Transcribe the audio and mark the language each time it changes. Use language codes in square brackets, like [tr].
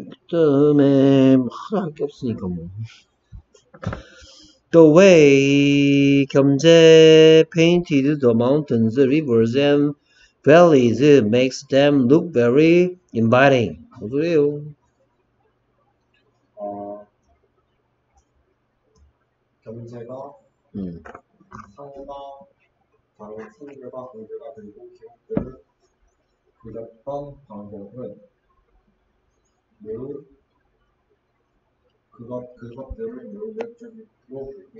[ko] 그다음에 하나 할게 없으니까 뭐. [en] The way 겸재 painted the mountains, rivers, and valleys makes them look very inviting. [ko] 뭐 그래요? 어, 겸재가 산과 다른 생물과 동물과 그리고 기업들을 그렸던 방법은 매우 그것들을 매우 매력적으로 그리고